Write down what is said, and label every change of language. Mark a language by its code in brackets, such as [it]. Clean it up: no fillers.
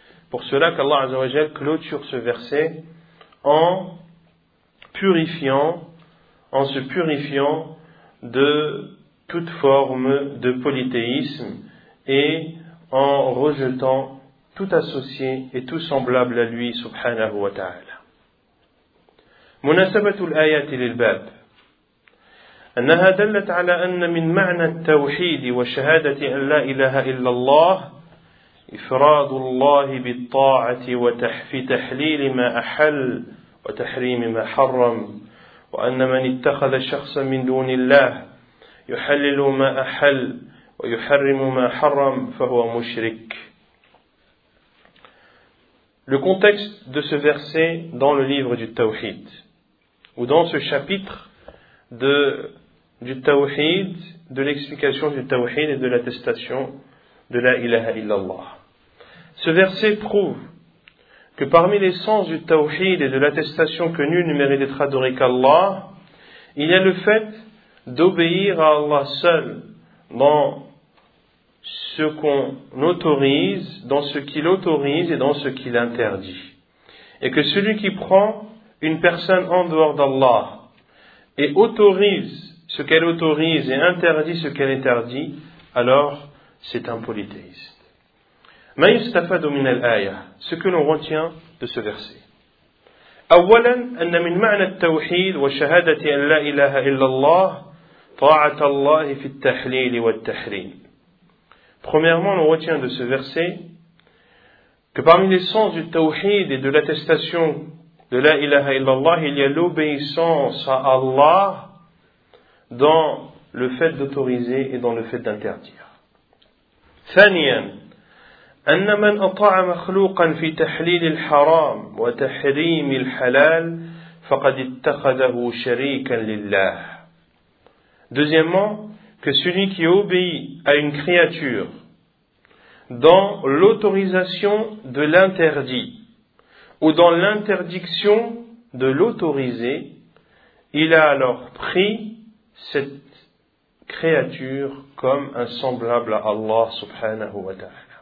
[fr] Pour cela qu'Allah azza wa jalla clôture ce verset en purifiant, en se purifiant de toute forme de polythéisme et en rejetant tout associé et tout semblable à lui, subhanahu wa ta'ala. [ar] مناسبة الآيات للباب أنها دلت على أن من معنى التوحيد وشهادة أن لا إله إلا الله إفراد الله بالطاعة في تحليل ما أحل وتحريم ما حرم وأن من اتخذ شخصا من دون الله يحلل ما أحل ويحرم ما حرم فهو مشرك. [fr] Le contexte de ce verset dans le livre du Tawhid, ou dans ce chapitre du Tawhid, de l'explication du Tawhid et de l'attestation de la ilaha illallah. Ce verset prouve que parmi les sens du Tawhid et de l'attestation que nul ne mérite d'être adoré qu'Allah, il y a le fait d'obéir à Allah seul dans ce qu'on autorise, dans ce qu'il autorise et dans ce qu'il interdit. Et que celui qui prend une personne en dehors d'Allah et autorise ce qu'elle autorise et interdit ce qu'elle interdit, alors c'est un polythéiste. [ar] Ma yustafadu min al-aya, [fr] ce que l'on retient de ce verset. [ar] أولا أن من معنى التوحيد وشهادة أن لا إله إلا الله طاعة الله في التحليل والتحريم. [fr] Premièrement, on retient de ce verset que parmi les sens du tawhid et de l'attestation de la ilaha illallah, il y a l'obéissance à Allah dans le fait d'autoriser et dans le fait d'interdire. [ar] Thaniyan, أن من أطاع مخلوقا في تحليل الحرام وتحريم الحلال فقد اتخذه شريكا لله. [fr] Deuxièmement, que celui qui obéit à une créature dans l'autorisation de l'interdit ou dans l'interdiction de l'autoriser, il a alors pris cette créature comme un semblable à Allah subhanahu wa ta'ala.